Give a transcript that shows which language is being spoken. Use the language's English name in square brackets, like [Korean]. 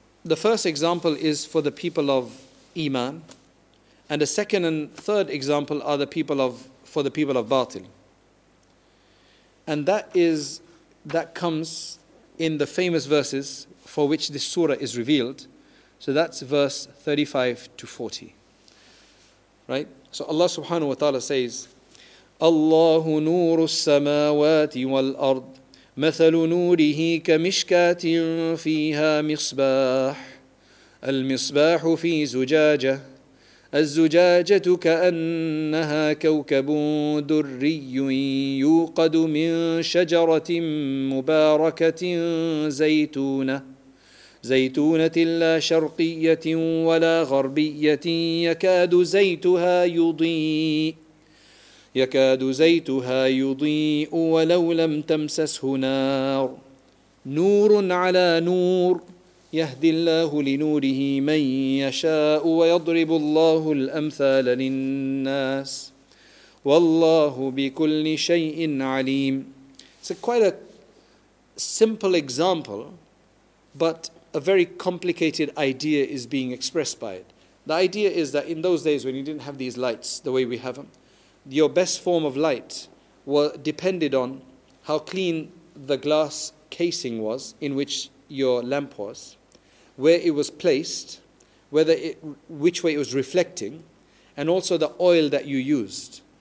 [English] The first example is for the people of Iman. And the second and third example are for the people of Batil. And that comes in the famous verses for which this surah is revealed. So that's verse 35 to 40. Right? So Allah subhanahu wa ta'ala says, [Arabic] الله نور السماوات والأرض مثل نوره كمشكاة فيها مصباح المصباح في زجاجة الزجاجة كأنها كوكب دري يوقد من شجرة مباركة زيتونة لا شرقية ولا غربية يكاد زيتها يضيء يَكَادُ زَيْتُهَا يُضِيءُ وَلَوْ لَمْ تَمْسَسْهُ نَارٌ نُورٌ عَلَى نُورٌ يَهْدِي اللَّهُ لِنُورِهِ مَنْ يَشَاءُ وَيَضْرِبُ اللَّهُ الْأَمْثَالَ لِلنَّاسِ وَاللَّهُ بِكُلِّ شَيْءٍ عَلِيمٌ. [English] It's quite a simple example, but a very complicated idea is being expressed by it. The idea is that in those days when you didn't have these lights the way we have them, your best form of light depended on how clean the glass casing was in which your lamp was, where it was placed, which way it was reflecting, and also the oil that you used.